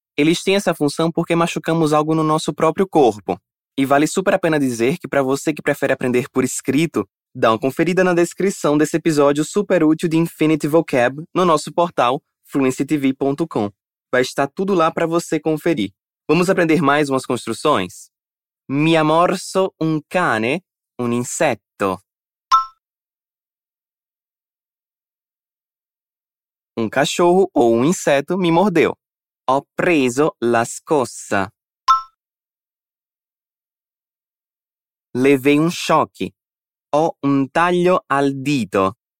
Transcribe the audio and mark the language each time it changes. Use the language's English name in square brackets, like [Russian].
[Portuguese] Eles têm essa função porque machucamos algo no nosso próprio corpo. E vale super a pena dizer que para você que prefere aprender por escrito, dá uma conferida na descrição desse episódio super útil de Infinity Vocab no nosso portal fluencytv.com. Vai estar tudo lá para você conferir. Vamos aprender mais umas construções? [Italian] Mi amorso un cane, un insetto. [Portuguese] Um cachorro ou um inseto me mordeu. [Italian] Ho preso la scossa. [Portuguese] Levei um choque. [Italian] Ho un taglio al dito.